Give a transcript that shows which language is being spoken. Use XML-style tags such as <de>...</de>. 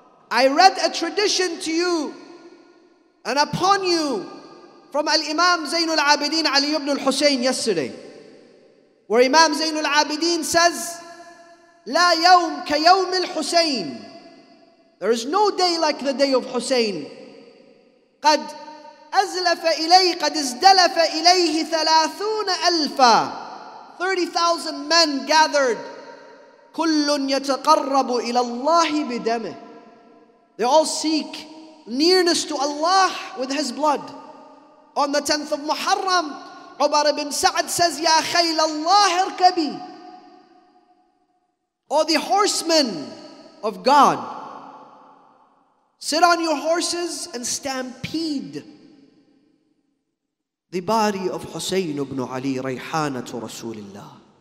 <en>I read a tradition to you and upon you from Al-Imam Zainul Abidin Ali ibn al-Hussein yesterday, where Imam Zainul Abidin says,</en> <ar>"La yawm ka yawm al-Hussein."</ar> <en>There is no day like the day of Hussein.</en> <ar>قد أزلف إليه قد ازدلف إليه ثلاثون ألفا</ar> <en>30,000 men gathered.</en> <ar>كل يتقرب إلى الله بدمه.</ar> <en>They all seek nearness to Allah with His blood. On the 10th of Muharram, Umar ibn Sa'd says,</en> <ar>يا خيل الله اركبي.</ar> <en>Oh, the horsemen of God, sit on your horses and stampede the body of Hussein ibn Ali, Rayhanatu Rasulillah.</en>